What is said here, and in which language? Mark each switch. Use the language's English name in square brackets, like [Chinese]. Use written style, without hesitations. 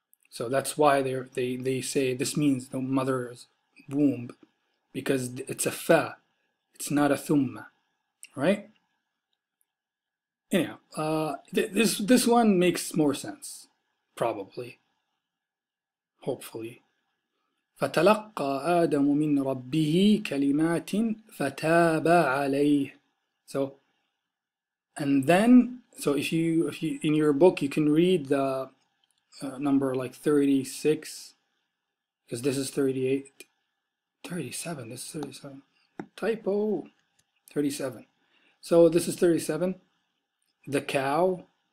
[English] So that's why they say this means the mother's womb, because it's a fa. It's not a thumma, right? Anyhow, this one makes more sense, probably. Hopefully. [Arabic] فتلقى آدم من ربه كلمات فتاب عليه. [English] So, and then, so if you in your book, you can read the number like 36, because this is 38, 37, this is 37. Typo, 37. So this is 37, the cow.